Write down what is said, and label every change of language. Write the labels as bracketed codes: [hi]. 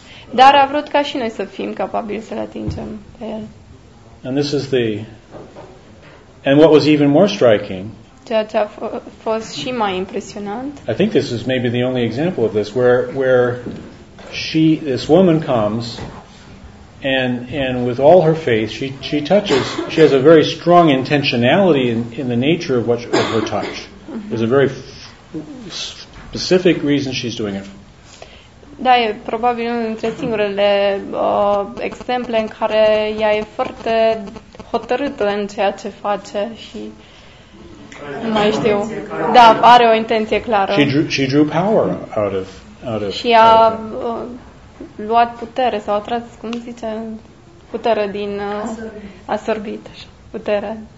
[ro] Dar a vrut ca și noi să fim capabili să-l atingem pe el. [en] And this is the and what was even more striking. [ro] Ceea ce a fost și mai impresionant. [en] I think this is maybe the only example of this where she this woman comes and with all her faith she touches she has a very strong intentionality in the nature of what of her touch. Mm-hmm. There's a very specific reason she's doing it. [ro] Da, e probabil unul dintre singurele exemple în care ea e foarte hotărâtă în ceea ce face și nu mai știu. Da, are o intenție clară. [en] She drew power out of [ro] și a luat putere sau a tras, cum zice, putere din asorbit, putere.